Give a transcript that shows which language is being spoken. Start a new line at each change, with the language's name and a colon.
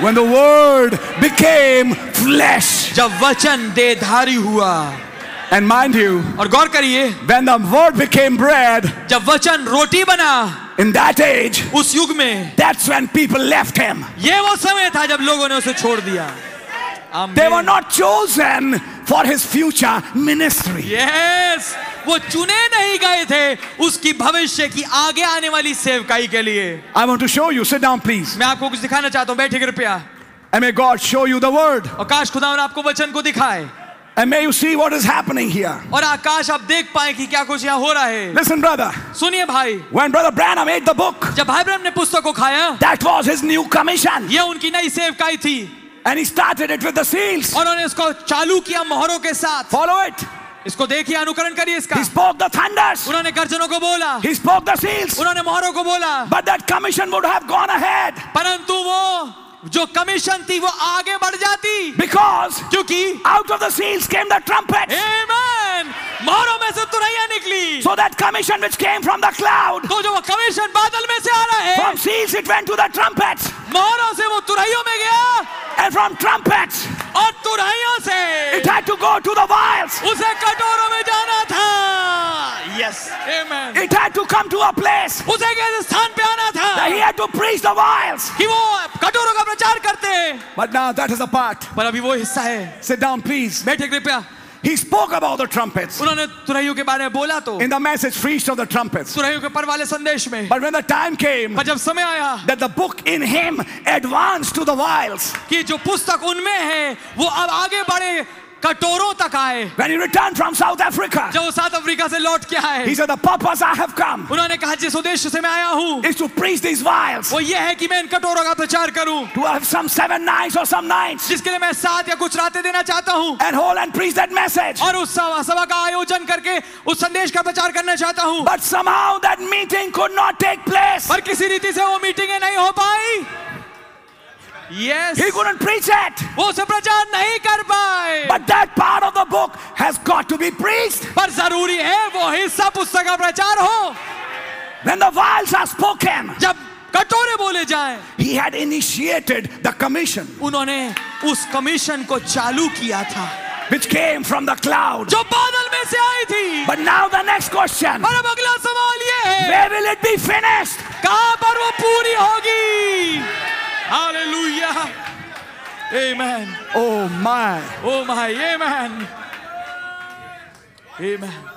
English: When the word became flesh.
Hindi: जब वचन देहधारी हुआ.
English: And mind you.
Hindi: और गौर करिए.
English: When the word became bread.
Hindi: जब वचन रोटी बना.
English: In that age,
Hindi: उस युग में,
English: that's when people left him.
Hindi: ये वो समय था जब लोगों ने उसे छोड़ दिया.
English: They were not chosen for his future ministry. Yes,
Hindi: वो चुने नहीं गए थे उसकी भविष्य की आगे आने वाली सेवकाई के लिए.
English: I want to show you. Sit down, please.
Hindi: मैं आपको कुछ दिखाना चाहता हूँ. बैठिए कृपया.
English: And may God show you the word.
Hindi: और काश खुदावन आपको वचन को दिखाए.
English: And may you see what is happening here.
Hindi: और आकाश आप देख पाए कि क्या कुछ यहाँ हो रहा है.
English: Listen, brother.
Hindi: सुनिए भाई.
English: When Brother Branham ate the book,
Hindi: जब भाई ब्रह्म ने पुस्तक को खाया,
English: that was his new commission.
Hindi: ये उनकी नई सेवकाई थी.
English: And he started it with the seals.
Hindi: और उन्होंने इसको चालू किया मोहरों के साथ.
English: Follow it.
Hindi: इसको देखिए अनुकरण करिए इसका.
English: He spoke the thunders.
Hindi: उन्होंने गर्जनों को बोला.
English: He spoke the seals.
Hindi: उन्होंने मोहरों को बोला.
English: But that commission would have gone ahead.
Hindi: परंतु वो जो कमीशन थी वो आगे बढ़ जाती.
English: Because
Hindi: क्योंकि
English: out of the seals came the trumpets. Amen.
Hindi: मोहरों में से तुरैया निकली.
English: So that commission which came from the cloud.
Hindi: तो जो वो कमीशन बादल में से आ रहा है.
English: From seals it went to the trumpets.
Hindi: मोहरों से वो तुरैयों में गया.
English: And from trumpets.
Hindi: और तुरैयों से.
English: It had to go to the vials.
Hindi: उसे कटोरों में जाना था.
English: Yes. Amen. It had to come to a place.
Hindi: उसे ऐसे स्थान पे आना था.
English: That he had to preach the vials.
Hindi: कि वो कटोरों का प्रचार करते.
English: But now that is a part.
Hindi: पर अभी वो हिस्सा है.
English: Sit down, please.
Hindi: बैठे कृपया.
English: He spoke about the trumpets.
Hindi: उन्होंने तुरहियों के बारे में बोला तो.
English: In the message, feast of the trumpets.
Hindi: तुरहियों के पर वाले संदेश में.
English: But when the time came,
Hindi: पर जब समय आया,
English: that the book in him advanced to the vials.
Hindi: कि जो पुस्तक उनमें है, वो अब आगे बढ़े कटोरों तक आए.
English: When he returned from South Africa,
Hindi: जब वो साउथ अफ्रीका से लौट के आए,
English: he said, "The purpose I have come."
Hindi: उन्होंने कहा, जिस उद्देश्य से मैं आया हूँ,
English: is to preach these vials.
Hindi: वो ये है कि मैं इन कटोरों का प्रचार करूँ.
English: To have some seven nights or some nights.
Hindi: जिसके लिए मैं सात या कुछ रातें देना चाहता हूँ.
English: And hold and preach that message.
Hindi: और उस सभा का आयोजन करके उस संदेश का प्रचार करना चाहता हूँ.
English: But somehow that meeting could not take place.
Hindi: पर किसी रीति से वो मीटिंग नहीं हो पाई.
English: Yes. He couldn't preach it.
Hindi: वो उसे प्रचार नहीं कर पाए.
English: But that part of the book has got to be preached.
Hindi: पर जरूरी है वो हिस्सा पुस्तक का प्रचार हो.
English: When the vials are spoken,
Hindi: जब कटोरे बोले जाए,
English: he had initiated the commission.
Hindi: उन्होंने उस कमीशन को चालू किया था.
English: Which came from the cloud.
Hindi: जो बादल में से आई थी.
English: But now the next question.
Hindi: पर अब अगला सवाल ये है.
English: Where will it be finished?
Hindi: कहां पर वो पूरी होगी?
English: Hallelujah. Amen. Oh my. Oh my. Amen. Amen.